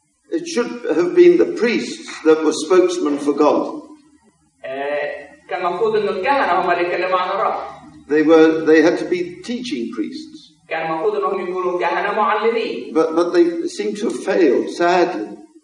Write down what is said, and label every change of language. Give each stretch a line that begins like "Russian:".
English: It should have been the priests that were spokesmen for God.
Arabic: كان المفروض أن الكهنة هم اللي يتكلموا عن الرب.
English: They had to be teaching priests.
Arabic: كان المفروض أنهم يكونوا كهنة معلمين.
English: But they seem to have failed, sadly.